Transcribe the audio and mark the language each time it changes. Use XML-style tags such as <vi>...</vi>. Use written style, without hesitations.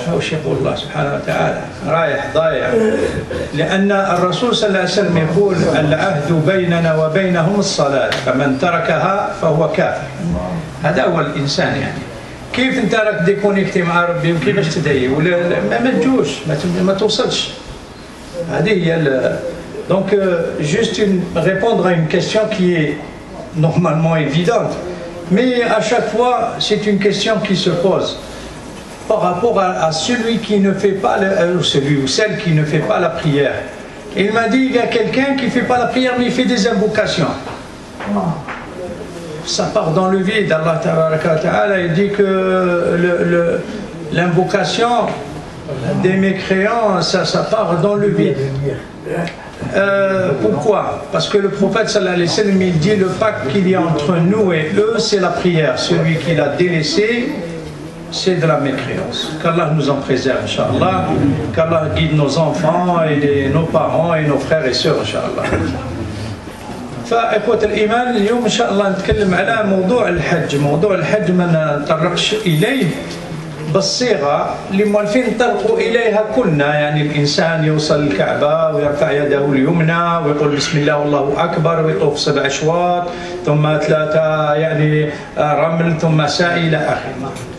<ar>وش يقول الله سبحانه وتعالى؟ رايح ضايع. لأن الرسول صلى الله عليه وسلم يقول العهد بيننا وبينهم الصلاة، فمن تركها فهو كافر. هذا هو الإنسان. يعني كيف انت راك ديكونيكتي مع ربي وكيف باش تدعي؟ ما تجوش، ما توصلش.</ar> <fr>هذه هي دونك جوست ريبوندر ا اون كيستيون كي نورمالمون ايفيدونت. Mais à chaque fois, c'est une question qui se pose par rapport à celui qui ne fait pas, celui ou celle qui ne fait pas la prière. Il m'a dit, il y a quelqu'un qui ne fait pas la prière, mais il fait des invocations. Ça part dans le vide. Allah Ta'ala dit que l'invocation des mécréants, ça part dans le vide. Pourquoi? Parce que le prophète sallallahu alayhi wa sallam, il dit le pacte qu'il y a entre nous et eux, c'est la prière. Celui qui l'a délaissé, c'est de la mécréance. Qu'Allah nous en préserve, inshallah. Qu'Allah guide nos enfants et nos parents et nos frères et sœurs, inshallah.</fr> <ar>فإخوة الإيمان، اليوم إن شاء الله نتكلم على موضوع الحج. موضوع الحج ما نطرقش إليه بالصيغة اللي موالفين طرقوا إليها كلنا، يعني الإنسان يوصل الكعبة ويرفع يده اليمنى ويقول بسم الله والله أكبر ويطوف سبع أشواط ثم ثلاثة يعني رمل ثم سعي إلى آخره.</ar>